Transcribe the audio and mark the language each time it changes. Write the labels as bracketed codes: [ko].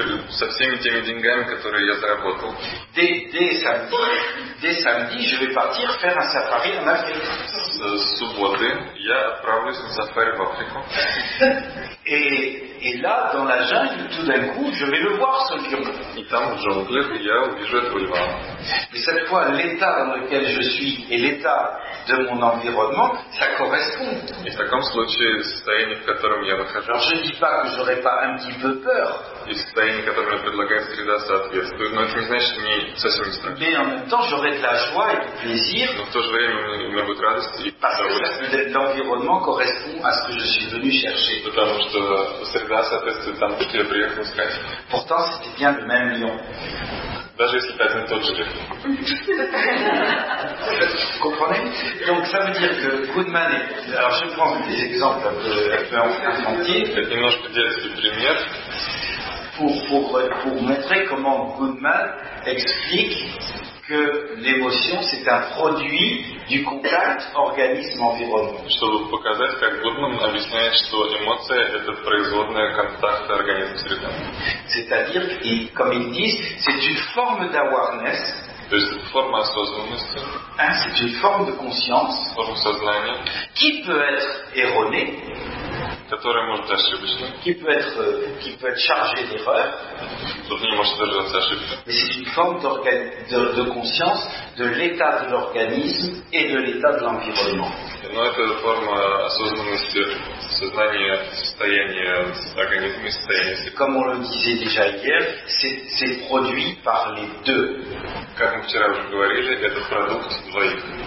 [ru] Со всеми теми деньгами, которые я заработал. [fr] Dès samedi, je vais partir faire un safari en Afrique. [ru] С субботы я отправлюсь на сафари в Африку. [fr] Et là, dans la jungle, tout d'un coup, je vais le voir, ce lion. [ru] И там, в джунгле, я увижу этого льва. [fr] Mais cette fois, l'état dans lequel je suis et l'état de mon environnement, ça correspond. [ru] И в таком случае, состояние, в котором я нахожусь. [fr] Alors, je ne dis pas que j'aurais pas un petit peu peur. [ru] и состояние, которое мне предлагает среда, соответствует. Но это не значит, что мне совсем не страшно. [fr] Mais en même temps, j'aurai de la joie et plaisir. [ru] Но в то же время у меня будет радость и [fr] l'environnement correspond à ce que je suis venu chercher. [ru] Потому что среда соответствует тому, что я приехал искать. [fr] Pourtant, c'était bien le même lion. [ru] Даже если это один и тот же лев. [fr] Comprenez? Donc, ça veut dire que Goodman est... Alors, je prends des exemples un peu infantiles. [ru] Это немножко детский пример. [fr] Pour montrer comment Goodman explique que l'émotion, c'est un produit du contact organisme-environnement. [ru] Чтобы показать, как Гудман объясняет, что эмоция – это производная контакта организма-среда. [fr] C'est-à-dire, et comme ils disent, c'est une forme d'awareness. [ru] То есть это форма осознанности. [fr] Hein, c'est une forme de conscience. [ru] Форма сознания. [fr] Qui peut être erronée. [ru] Которая может быть ошибочной. [fr] Qui peut être chargée d'erreur. [ru] Тут не может держаться ошибка. [fr] Mais c'est une forme de conscience de l'état de l'organisme et de l'état de l'environnement. [ru] Но это форма осознанности сознания, состояния организма и состояния. [fr] Comme on le disait déjà hier, c'est produit par les deux. [ru] Как мы вчера уже говорили, это продукт двоих.